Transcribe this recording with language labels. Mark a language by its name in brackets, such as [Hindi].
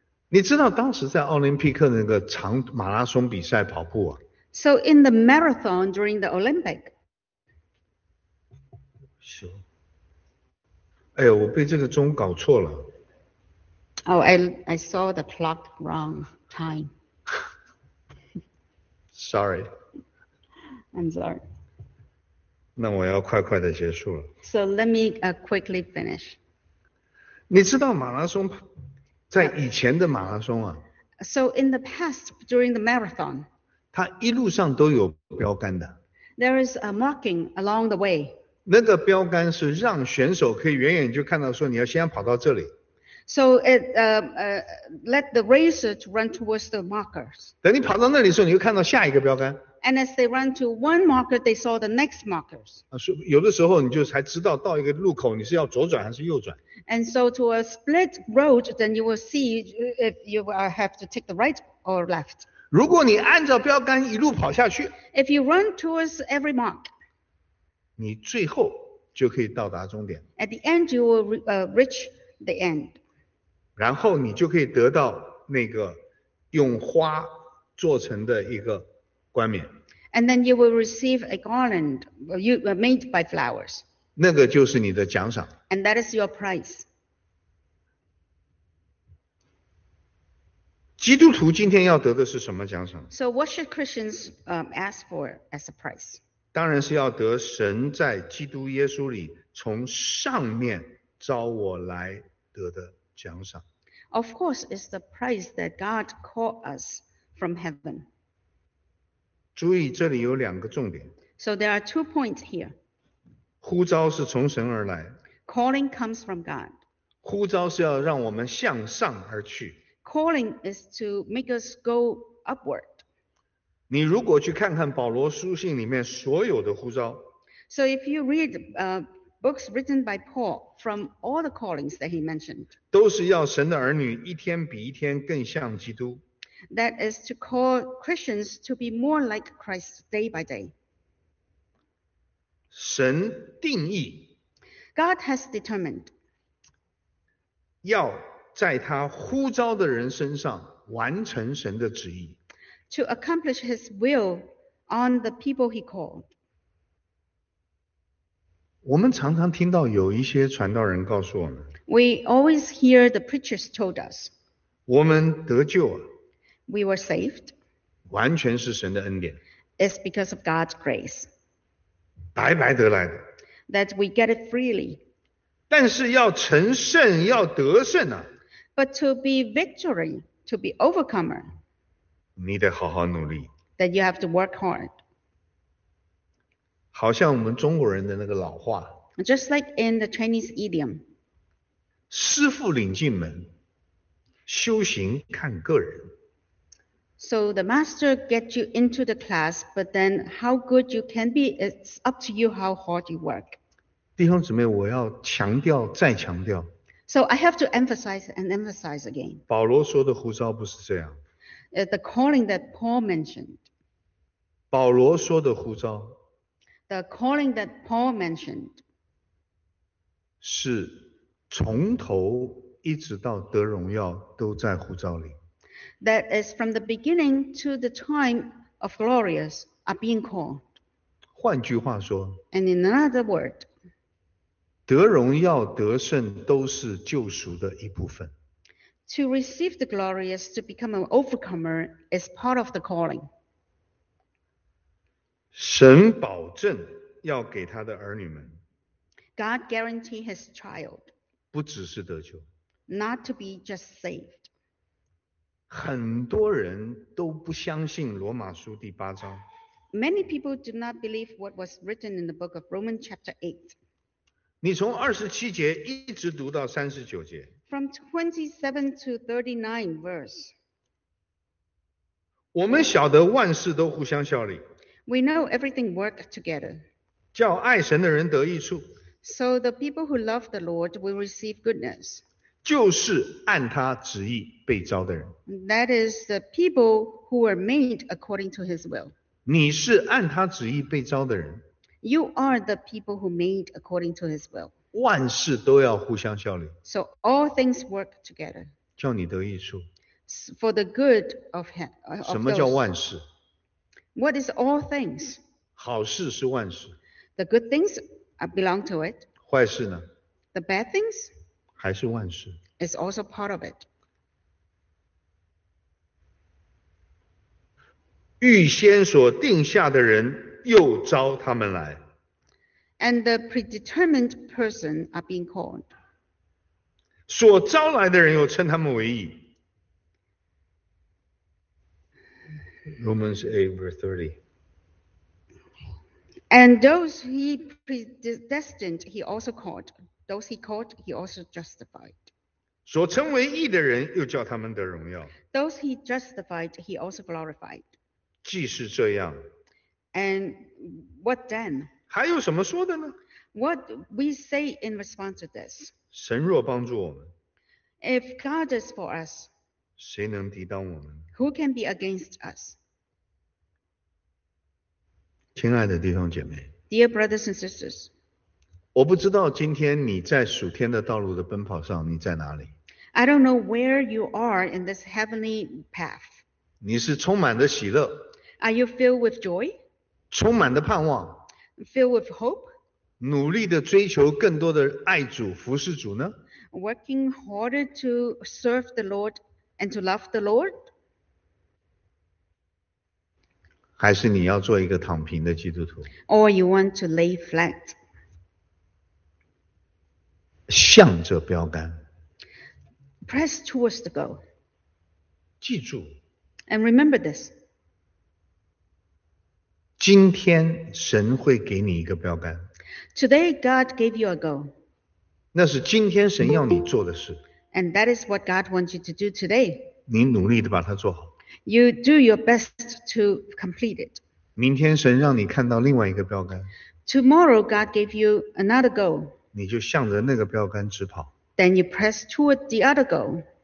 [Chinese] 你知道当时在奥林匹克那个长马拉松比赛跑步啊。 [English] So in the marathon during the Olympic. [Chinese] 是。哎呦我被这个钟搞错了。 [English] Oh, I saw the clock wrong time. Sorry. I'm sorry. [Chinese] 那我要快快的结束了。 [English] So let me quickly finish. [Chinese] 你知道马拉松在以前的马拉松啊。 [English] So in the past, during the marathon. [Chinese] 它一路上都有标杆的。 [English] There is a marking along the way. [Chinese] 那个标杆是让选手可以远远就看到说你要先跑到这里。 [English] So it let the racer to run towards the markers. [Chinese] 等你跑到那里的时候你就看到下一个标杆。 [English] And as they run to one marker, they saw the next markers. [Chinese] 有的时候你就才知道到一个路口你是要左转还是右转。 [English] And so to a split road, then you will see if you have to take the right or left. [Chinese] 如果你按照标杆一路跑下去。 [English] If you run towards every mark. [Chinese] 你最后就可以到达终点。 [English] At the end, you will reach the end. [Chinese] 然后你就可以得到那个用花做成的一个冠冕。 [English] And then you will receive a garland made by flowers. [Chinese] 那个就是你的奖赏。 [English] And that is your prize. [Chinese] 基督徒今天要得的是什么奖赏？ [English] So what should Christians ask for as a prize? [Chinese] 当然是要得神在基督耶稣里从上面召我来得的奖赏。 [English] Of course, it's the prize that God called us from heaven. [Chinese] 注意这里有两个重点。 [English] So there are two points here. [Chinese] 呼召是从神而来。 [English] Calling comes from God. [Chinese] 呼召是要让我们向上而去。 [English] Calling is to make us go upward. [Chinese] 你如果去看看保罗书信里面所有的呼召。 [English] So if you read books written by Paul from all the callings that he mentioned. [Chinese] 都是要神的儿女一天比一天更像基督。 [English] That is to call Christians to be more like Christ day by day. [Chinese] 神定义。 [English] God has determined. [Chinese] 要在他呼召的人身上完成神的旨意。 [English] To accomplish his will on the people he called. [Chinese] 我们常常听到有一些传道人告诉我们。 [English] We always hear the preachers told us. [Chinese] 我们得救啊。 [English] We were saved. [Chinese] 完全是神的恩典。 [English] It's because of God's grace. [Chinese] 白白得来的。 [English] That we get it freely. [Chinese] 但是要成圣，要得胜啊。 [English] But to be victory, to be overcomer. [Chinese] 你得好好努力。 [English] That you have to work hard. [Chinese] 好像我们中国人的那个老话。 [English] Just like in the Chinese idiom. [Chinese] 师父领进门，修行看个人。 [English] So the master gets you into the class, but then how good you can be, it's up to you how hard you work. [Chinese] 弟兄姊妹，我要强调再强调。 [English] So I have to emphasize and emphasize again. [Chinese] 保罗说的呼召不是这样。 [English] The calling that Paul mentioned. [Chinese] 保罗说的呼召。 [English] The calling that Paul mentioned. [Chinese] 是从头一直到得荣耀都在呼召里。 [English] That is from the beginning to the time of glorious are being called. [Chinese] 换句话说, [English] and in another word, [Chinese] 得荣耀得胜都是救赎的一部分。 [English] To receive the glory is to become an overcomer is part of the calling. [Chinese] 神保证要给他的儿女们。 [English] God guarantee his child. [Chinese] 不只是得救。 [English] Not to be just saved. [Chinese] 很多人都不相信罗马书第八章。 [English] Many people do not believe what was written in the book of Romans chapter 8. [Chinese] 你从二十七节一直读到三十九节。 [English] From 27 to 39 verse. [Chinese] 我们晓得万事都互相效力。 [English] We know everything works together. [Chinese] 叫爱神的人得益处。 [English] So the people who love the Lord will receive goodness. [Chinese] 就是按他旨意被召的人。 [English] That is the people who were made according to his will. [Chinese] 你是按他旨意被召的人。 [English] You are the people who made according to his will. [Chinese] 万事都要互相效力。 [English] So all things work together. [Chinese] 叫你得益处。 [English] For the good of him. [Chinese] 什么叫万事？ [English] What is all things? [Chinese] 好事是万事。 [English] The good things belong to it. [Chinese] 坏事呢？ [English] The bad things? [Chinese] 还是万事。 [English] It's also part of it. [Chinese] 预先所定下的人又召他们来。 [English] And the predetermined person are being called. [Chinese] 所召来的人又称他们为义。 [English] Romans 8, verse 30. And those he predestined, he also called. Those he called, he also justified. [Chinese] 所称为义的人又叫他们得荣耀。 [English] Those he justified, he also glorified. [Chinese] 既是这样。 [English] And what then? [Chinese] 还有什么说的呢? [English] What we say in response to this? [Chinese] 神若帮助我们。 [English] If God is for us, [Chinese] 谁能抵挡我们? [English] Who can be against us? [Chinese] 亲爱的弟兄姐妹。 [English] Dear brothers and sisters. [Chinese] 我不知道今天你在属天的道路的奔跑上你在哪里。 [English] I don't know where you are in this heavenly path. [Chinese] 你是充满的喜乐。 [English] Are you filled with joy? [Chinese] 充满的盼望。 [English] Filled with hope? [Chinese] 努力的追求更多的爱主服侍主呢? [English] Working harder to serve the Lord and to love the Lord? [Chinese] 还是你要做一个躺平的基督徒 [English] ？Or you want to lay flat？ [Chinese] 向着标杆。 [English] Press towards the goal。 [Chinese] 记住。 [English] And remember this。 [Chinese] 今天神会给你一个标杆。 [English] Today God gave you a goal。 [Chinese] 那是今天神要你做的事。 [English] And that is what God wants you to do today。 [Chinese] 你努力地把它做好。 [English] You do your best to complete it. [Chinese] 明天神让你看到另外一个标杆。 [English] Tomorrow God gave you another goal. [Chinese] 你就向着那个标杆直跑。 [English] Then you press toward the other goal.